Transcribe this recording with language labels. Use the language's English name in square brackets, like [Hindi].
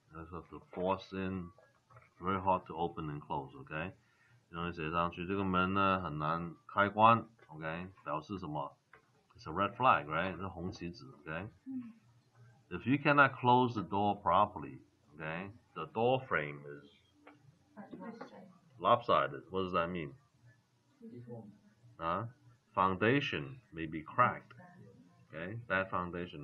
[English] That's what to force in, very hard to open and close, OK? [Chinese] 你就写上去, 这个门呢, 很难开关, OK? 表示什么? [English] It's a red flag, right? [Chinese] 这红旗子, OK? [English] If you cannot close the door properly, okay, the door frame is lopsided. What does that mean? Foundation may be cracked. Okay, bad foundation.